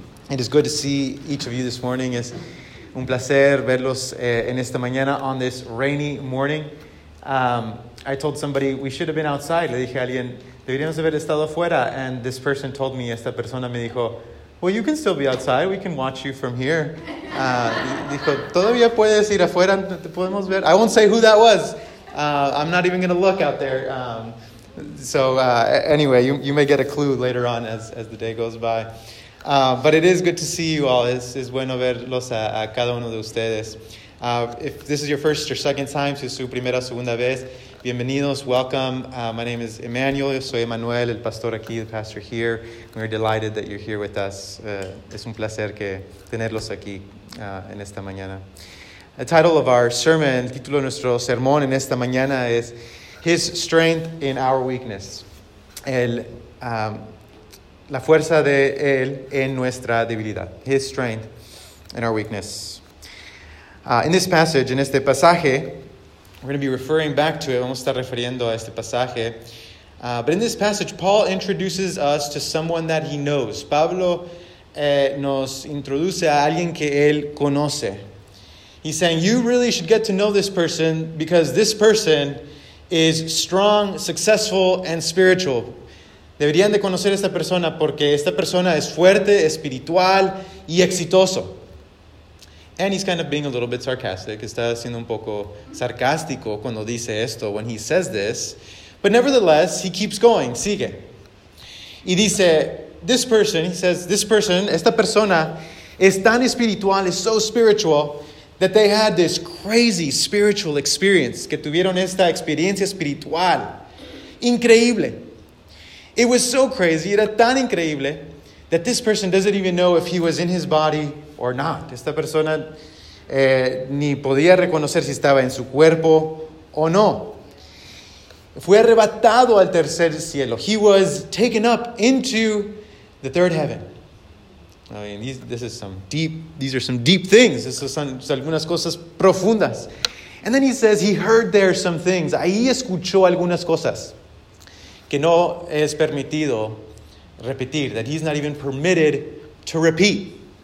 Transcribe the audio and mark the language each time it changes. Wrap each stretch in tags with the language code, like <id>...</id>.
<en>It is good to see each of you this morning.</en> <es>Es un placer verlos en esta mañana</es> <en>on this rainy morning. I told somebody we should have been outside.</en> <es>Le dije a alguien, deberíamos haber estado afuera.</es> <en>And this person told me,</en> <es>esta persona me dijo,</es> <en>well, you can still be outside. We can watch you from here.</en> <es>Dijo, todavía puedes ir afuera. Te podemos ver.</es> <en>I won't say who that was. I'm not even going to look out there. Anyway, you may get a clue later on as the day goes by. But it is good to see you all.</en> <es>Es bueno verlos a cada uno de ustedes.</es> <en>If this is your first or second time,</en> <es>si es su primera o segunda vez, bienvenidos,</es> <en>welcome. My name is Emmanuel.</en> <es>Yo soy Emmanuel, el pastor aquí,</es> <en>the pastor here. We're delighted that you're here with us.</en> <es>Es un placer que tenerlos aquí en esta mañana.</es> <en>The title of our sermon,</en> <es>el título de nuestro sermón en esta mañana es</es> <en>His Strength in Our Weakness.</en> <es>La fuerza de Él en nuestra debilidad.</es> <en>His strength in our weakness. In this passage,</en> <es>en este pasaje,</es> <en>we're going to be referring back to it.</en> <es>Vamos a estar refiriendo a este pasaje.</es> <en>But in this passage, Paul introduces us to someone that he knows.</en> <es>Pablo nos introduce a alguien que él conoce.</es> <en>He's saying, you really should get to know this person because this person is strong, successful, and spiritual.</en> <es>Deberían de conocer a esta persona porque esta persona es fuerte, espiritual y exitoso.</es> <en>And he's kind of being a little bit sarcastic.</en> <es>Está siendo un poco sarcástico cuando dice esto,</es> <en>when he says this. But nevertheless, he keeps going.</en> <es>Sigue. Y dice,</es> <en>this person, he says, this person,</en> <es>esta persona es tan espiritual, es</es> <en>so spiritual, that they had this crazy spiritual experience.</en> <es>Que tuvieron esta experiencia espiritual. Increíble.</es> <en>It was so crazy,</en> <es>era tan increíble,</es> <en>that this person doesn't even know if he was in his body or not.</en> <es>Esta persona ni podía reconocer si estaba en su cuerpo o no. Fue arrebatado al tercer cielo.</es> <en>He was taken up into the third heaven. I mean, these are some deep things.</en> <es>Estas son algunas cosas profundas.</es> <en>And then he says he heard there some things.</en> <es>Ahí escuchó algunas cosas que no es permitido repetir,</es> <en>that he's not even permitted to repeat.</en>